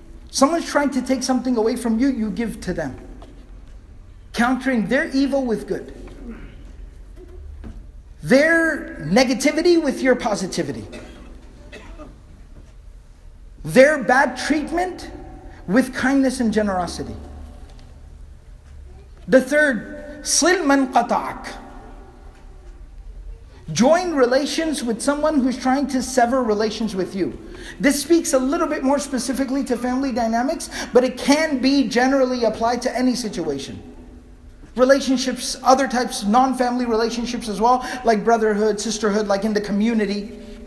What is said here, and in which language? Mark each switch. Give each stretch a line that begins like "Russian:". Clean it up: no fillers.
English: Someone's trying to take something away from you, you give to them. Countering their evil with good. Their negativity with your positivity. Their bad treatment with kindness and generosity. The third,
Arabic: صِلْ مَنْ قَطَعَكَ.
English: Join relations with someone who's trying to sever relations with you. This speaks a little bit more specifically to family dynamics, but it can be generally applied to any situation. Relationships, other types, non-family relationships as well, like brotherhood, sisterhood, like in the community.